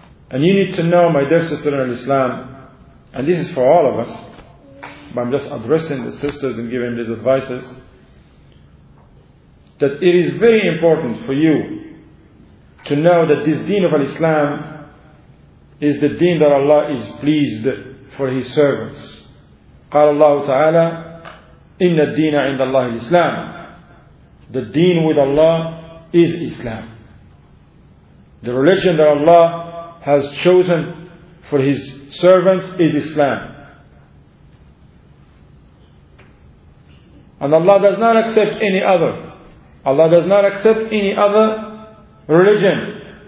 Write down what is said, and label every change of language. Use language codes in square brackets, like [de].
[en] And you need to know, my dear sister in Islam, and this is for all of us, but I'm just addressing the sisters and giving these advices, that it is very important for you to know that this deen of Islam is the deen that Allah is pleased for His servants. [ar] قال الله تعالى إن الدين عند الله الإسلام. [en] The deen with Allah is Islam. The religion that Allah has chosen for His servants is Islam. And Allah does not accept any other. Allah does not accept any other religion.